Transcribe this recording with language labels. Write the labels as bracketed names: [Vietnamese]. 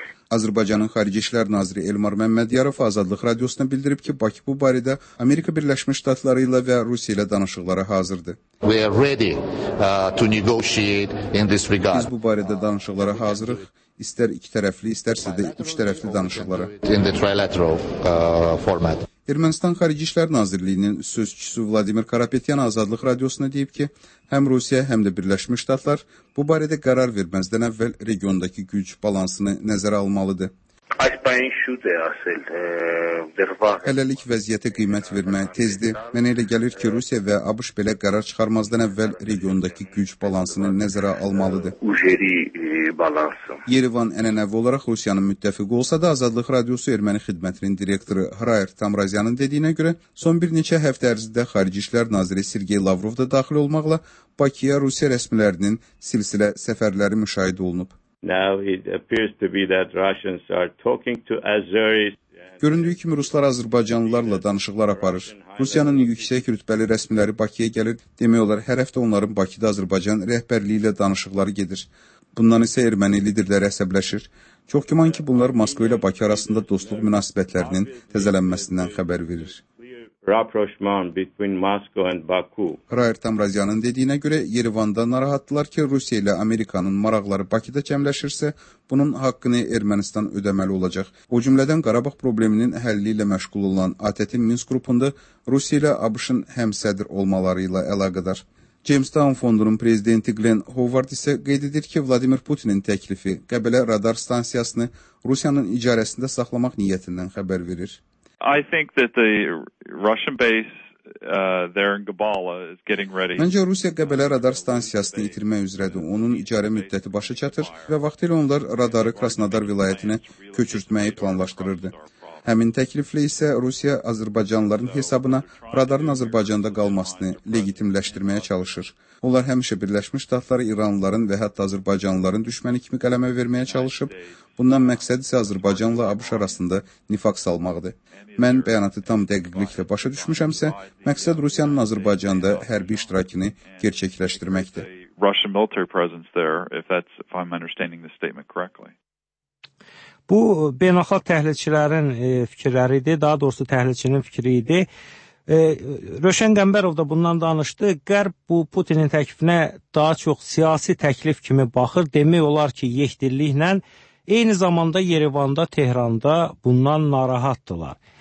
[Azerbaijani] Azərbaycanın Xarici İşlər Naziri Elmar Məmmədyarov Azadlıq Radiosuna bildirib ki, Bakı bu barədə Amerika Birləşmiş Ştatları ilə və Rusiya ilə danışıqlara hazırdır. [English] We are ready to negotiate in this regard. [Azerbaijani] Biz bu barədə danışıqlara hazırıq, istər iki tərəfli, istərsə də üç tərəfli danışıqlara. [English] In the trilateral format. [Azerbaijani] Ermənistan Xarici İşlər Nazirliyinin sözçüsü Vladimir Karapetyan Azadlıq Radiosuna deyib ki, həm Rusiya, həm də Birləşmiş Ştatlar bu barədə qərar verməzdən əvvəl regiondakı güc balansını nəzərə almalıdır. Hələlik vəziyyətə qiymət vermək tezdir. Mənə elə gəlir ki, Rusiya və ABŞ belə qərar çıxarmazdan əvvəl regiondakı güc balansını nəzərə almalıdır. Yerivan ənənəvi olaraq Rusiyanın müttəfiqi olsa da Azadlıq Radiosu erməni xidmətinin direktoru Hrayer Tamrazyanın dediyinə görə, son bir neçə həftə ərzində Xarici İşlər Naziri Sergey Lavrov da daxil olmaqla Bakıya Rusiya rəsmilərinin silsilə səfərləri müşahidə olunub. [English] Now it appears to be that Russians are talking to Azeris. [Azerbaijani] Göründüyü kimi Ruslar Azərbaycanlılarla danışıqlar aparır. Rusiyanın yüksək rütbəli rəsmiləri Bakıya gəlir, demək olar hər həftə onların Bakıda Azərbaycan rəhbərliyi ilə danışıqları gedir. Bundan isə erməni liderlər əsəbləşir. Çox güman ki, bunlar Moskva ilə Bakı arasında dostluq münasibətlərinin təzələnməsindən xəbər verir. [English] Rapprochement between Moscow and Baku. [Azerbaijani] Rayer Tamrazyanın dediyinə görə Yerevanda narahatdılar ki, Rusiya ilə Amerikanın maraqları Bakıda cəmləşirsə, bunun haqqını Ermənistan ödəməli olacaq. O cümlədən Qarabağ probleminin həlli ilə məşğul olan ATƏT-in Minsk qrupunda Rusiya ilə ABŞ-ın həmsədr olmaları ilə əlaqədar. Jamestown fondunun prezidenti Glenn Howard isə qeyd edir ki, Vladimir Putinin təklifi Qəbələ radar stansiyasını Rusiyanın icarəsində saxlamaq niyyətindən xəbər verir. [English] I think that the Russian base there in Gabala is getting ready. [Azerbaijani] Məncə Rusiya Qəbələ radar stansiyasını itirmək üzrədir. Onun icarə müddəti başa çatır və vaxtilə onlar radarı Krasnodar vilayətinə köçürtməyi planlaşdırırdı. Həmin təkliflə isə Rusiya azərbaycanlıların hesabına radarın Azərbaycanda qalmasını legitimləşdirməyə çalışır. Onlar həmişə Birləşmiş Ştatları İranlıların və hətta azərbaycanlıların düşməni kimi qələmə verməyə çalışıb, bundan məqsəd isə Azərbaycanla ABŞ arasında nifaq salmaqdır. Mən bəyanatı tam dəqiqliklə başa düşmüşəmsə, məqsəd Rusiyanın Azərbaycanda hərbi iştirakını gerçəkləşdirməkdir. [English] Russian military presence there, if I'm understanding the statement correctly. [Azerbaijani] Bu, beynəlxalq təhlilçilərin fikirləri idi, daha doğrusu təhlilçinin fikri idi. Röşən Qəmbərov da bundan danışdı. Qərb bu Putinin təklifinə daha çox siyasi təklif kimi baxır. Demək olar ki, yekdilliklə eyni zamanda Yerevanda, Tehranda bundan narahatdılar.